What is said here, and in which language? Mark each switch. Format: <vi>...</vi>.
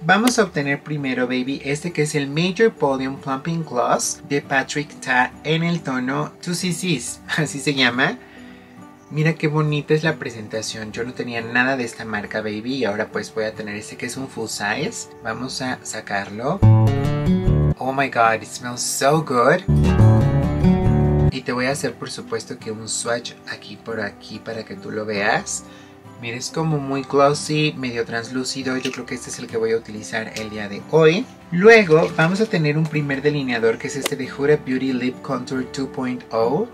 <es>Vamos a obtener primero, baby, este que es el Major Podium Plumping Gloss de Patrick Ta en el tono 2CCs, así se llama. Mira qué bonita es la presentación. Yo no tenía nada de esta marca, baby. Y ahora pues voy a tener este que es un full size. Vamos a sacarlo.</es> <en>Oh my God, it smells so good.</en> <es>Y te voy a hacer, por supuesto, que un swatch aquí por aquí para que tú lo veas. Mira, es como muy glossy, medio translúcido. Yo creo que este es el que voy a utilizar el día de hoy. Luego vamos a tener un primer delineador que es este de Huda Beauty Lip Contour 2.0.</es>